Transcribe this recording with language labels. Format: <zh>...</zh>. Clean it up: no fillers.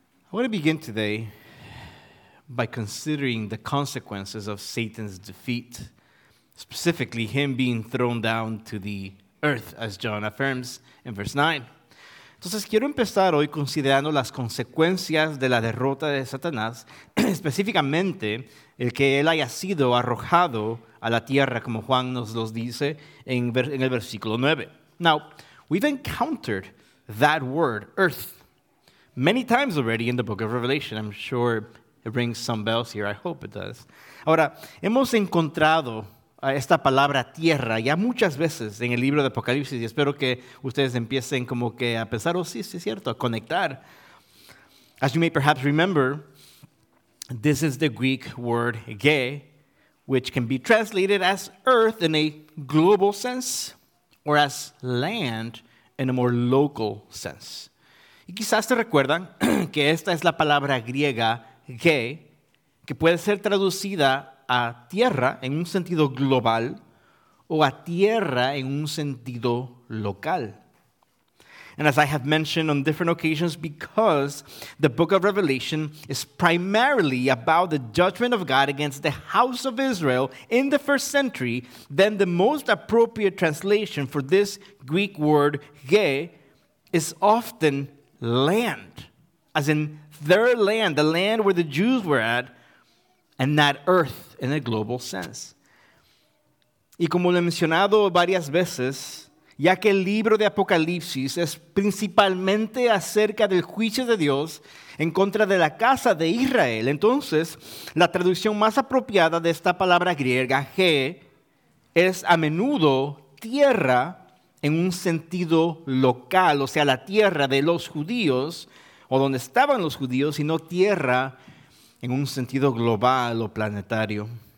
<en>I want to begin today by considering the consequences of Satan's defeat, specifically him being thrown down to the earth, as John affirms in verse 9.</en> <es>Entonces quiero empezar hoy considerando las consecuencias de la derrota de Satanás, específicamente el que él haya sido arrojado a la tierra, como Juan nos los dice en el versículo 9.</es> <en>Now, we've encountered that word, earth, many times already in the book of Revelation. I'm sure it rings some bells here. I hope it does.</en> <es>Ahora, hemos encontrado esta palabra tierra ya muchas veces en el libro de Apocalipsis y espero que ustedes empiecen como que a pensar, oh sí, sí es cierto, a conectar.</es> <en>As you may perhaps remember, this is the Greek word ge, which can be translated as earth in a global sense or as land in a more local sense.</en> <es>Y quizás te recuerdan que esta es la palabra griega ge, que puede ser traducida a tierra en un sentido global o a tierra en un sentido local.</es> <en>And as I have mentioned on different occasions, because the book of Revelation is primarily about the judgment of God against the house of Israel in the first century, then the most appropriate translation for this Greek word ge is often land, as in their land, the land where the Jews were at, and not earth in a global sense.</en> <es>Y como lo he mencionado varias veces, ya que el libro de Apocalipsis es principalmente acerca del juicio de Dios en contra de la casa de Israel, entonces la traducción más apropiada de esta palabra griega, ge, es a menudo tierra en un sentido local, o sea, la tierra de los judíos, o donde estaban los judíos, y no tierra en un sentido global o planetario.</es>